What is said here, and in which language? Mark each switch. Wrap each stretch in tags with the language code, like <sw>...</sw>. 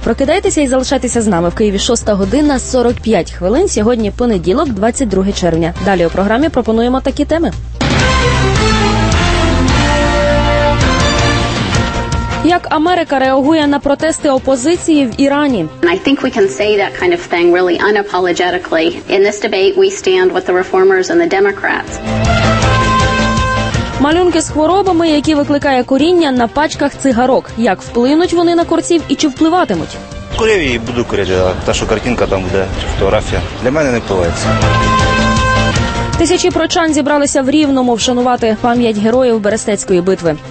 <uk>Прокидайтеся і залишайтеся з нами. В Києві 6 година 45 хвилин. Сьогодні понеділок, 22 червня. Далі у програмі пропонуємо такі теми. Як Америка реагує на протести опозиції в Ірані?</uk> <en>I think we can say that kind of thing really unapologetically. In this debate we stand with the reformers and the Democrats.</en> <uk>Малюнки з хворобами, які викликає куріння на пачках цигарок. Як вплинуть вони на курців і чи впливатимуть? Курю і буду курити, а та що картинка там буде, чи фотографія, для мене не впливається. Тисячі прочан зібралися в Рівному вшанувати пам'ять героїв Берестецької битви.</uk>